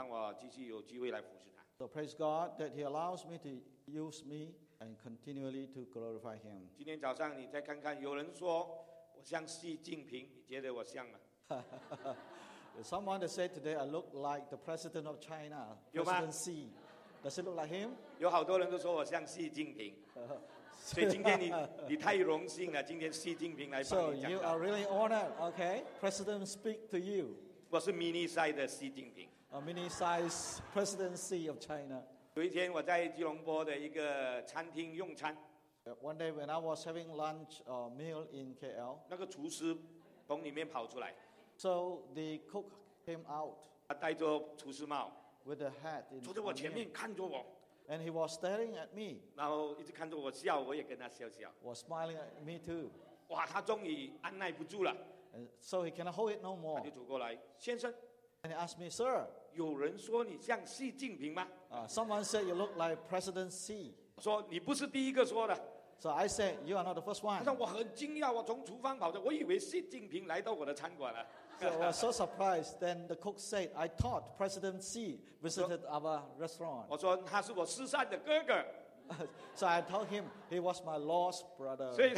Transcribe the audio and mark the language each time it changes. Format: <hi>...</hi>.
<zh>但是感谢神使用我，让我继续有机会来服侍他。</zh> <en>So praise God that He allows me to use me and continually to glorify Him.</en> <zh>今天早上你再看看，有人说我像习近平，你觉得我像吗？</zh> <en>Someone said today I look like the president of China, President Xi. Does it look like him?</en> <zh>有好多人都说我像习近平。所以今天你太荣幸了，今天习近平来帮你讲。</zh> <en>So you are really honored, okay? President speak to you.</en> <zh>我是 mini size 的习近平。</zh> <en>A mini size President Xi of China.</en> <zh>有一天我在吉隆坡的一个餐厅用餐。</zh> <en>One day when I was having lunch or meal in KL.</en> <zh>那个厨师从里面跑出来。</zh> <en>So the cook came out.</en> <zh>他戴着厨师帽。</zh> <en>With a hat in.</en> <zh>坐在我前面看着我。</zh> <en>And he was staring at me.</en> <zh>然后一直看着我笑，我也跟他笑笑。</zh> <en>Was smiling at me too.</en> <zh>哇，他终于按耐不住了。</zh> <en>So he cannot hold it no more.</en> <zh>他就走过来，先生。</zh> <en>And he asked me, Sir.</en> <zh>有人说你像习近平吗？</zh> <en>Someone said you look like President Xi.</en> <zh>说你不是第一个说的。</zh> <en>So I said, you are not the first one.</en> <zh>我很惊讶，我从厨房跑着，我以为习近平来到我的餐馆了。</zh> <en>So I was so surprised. Then the cook said, I thought President Xi visited our restaurant.</en> <zh>我说他是我失散的哥哥。</zh> <en>So I told him, he was my lost brother.</en>